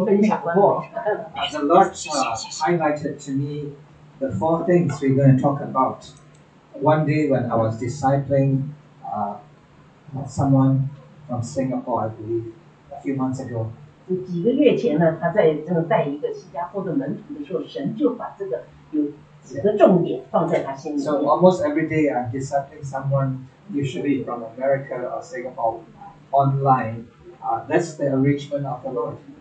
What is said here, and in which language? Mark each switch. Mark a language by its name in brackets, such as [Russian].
[Chinese] 今天李牧师要跟我们分享信息，他自己在自己教会都还没分享完。 [English] The Lord highlighted to me the four things we're going to talk about. One day when I was discipling someone from Singapore, I believe, a few months ago. [Chinese] 几个月前呢，他在带一个新加坡的门徒的时候，神就把这个有几个重点放在他心里。 [English] So almost every day I'm discipling someone, usually from America or Singapore. Online, that's the arrangement of the Lord.